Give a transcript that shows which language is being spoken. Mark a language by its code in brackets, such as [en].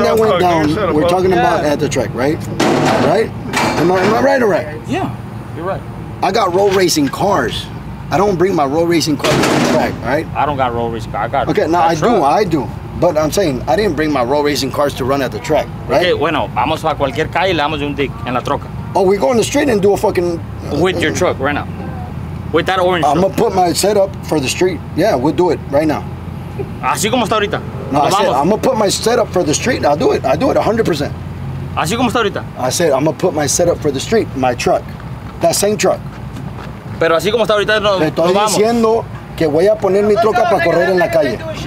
[en] Everything that went down, we're talking about at the track, right? Right? Am I right or right? Yeah, you're right. I got roll racing cars. I don't bring my roll racing cars to the track, right? I don't got roll racing cars. I got okay, now I do. But I'm saying, I didn't bring my roll racing cars to run at the track, right? [es] Okay, bueno, vamos a cualquier calle y le damos un dig en la troca. [en] Oh, we go in the street and do a fucking... With your truck right now. With that orange I'm going to put my setup for the street. Yeah, we'll do it right now. [es] Así como está ahorita. [en] No, I said, I'm going to put my setup for the street. I'll do it. I do it 100%. [es] Así como está ahorita. [en] I said, I'm going to put my setup for the street, my truck. That same truck. [es] Pero así como está ahorita, no, te estoy diciendo que voy a poner mi troca para correr en la calle.